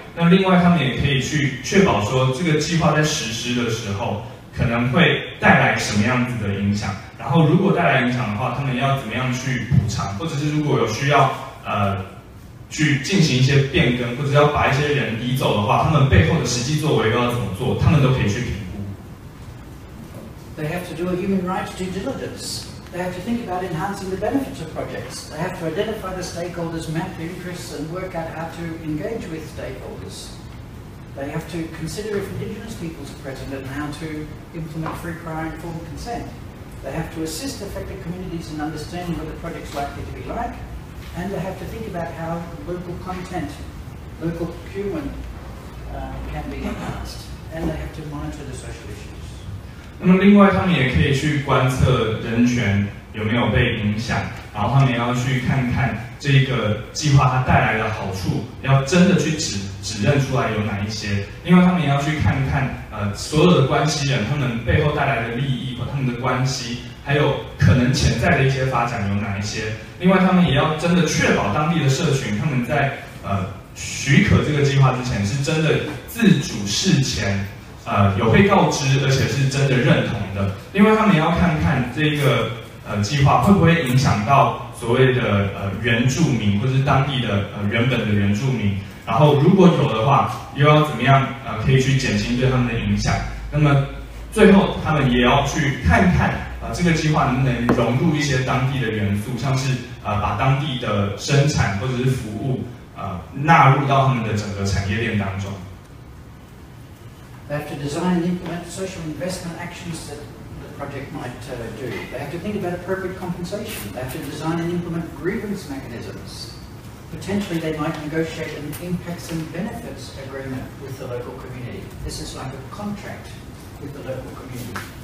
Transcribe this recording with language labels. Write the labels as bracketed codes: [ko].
[zh] 那另外，他们也可以去确保说，这个计划在实施的时候可能会带来什么样子的影响。然后，如果带来影响的话，他们要怎么样去补偿，或者是如果有需要去进行一些变更，或者要把一些人移走的话，他们背后的实际作为要怎么做，他们都可以去评估。 [en] They have to do a human rights due diligence. They have to think about enhancing the benefits of projects. They have to identify the stakeholders, map the interests, and work out how to engage with stakeholders. They have to consider if Indigenous peoples are present and how to implement free, prior, and informed consent. They have to assist affected communities in understanding what the project's likely to be like. And they have to think about how local content, local procurement, can be enhanced. And they have to monitor the social issues. [zh] 那么另外他们也可以去观测人权有没有被影响，然后他们也要去看看这个计划它带来的好处要真的去指认出来有哪一些。另外他们也要去看看所有的关系人他们背后带来的利益和他们的关系还有可能潜在的一些发展有哪一些。另外他们也要真的确保当地的社群他们在许可这个计划之前是真的自主事前有被告知，而且是真的认同的。另外，他们要看看这个计划会不会影响到所谓的原住民，或是当地的原本的原住民。然后，如果有的话，又要怎么样可以去减轻对他们的影响？那么，最后他们也要去看看这个计划能不能融入一些当地的元素，像是把当地的生产或者是服务纳入到他们的整个产业链当中。 [en] They have to design and implement social investment actions that the project might do. They have to think about appropriate compensation. They have to design and implement grievance mechanisms. Potentially, they might negotiate an impacts and benefits agreement with the local community. This is like a contract with the local community.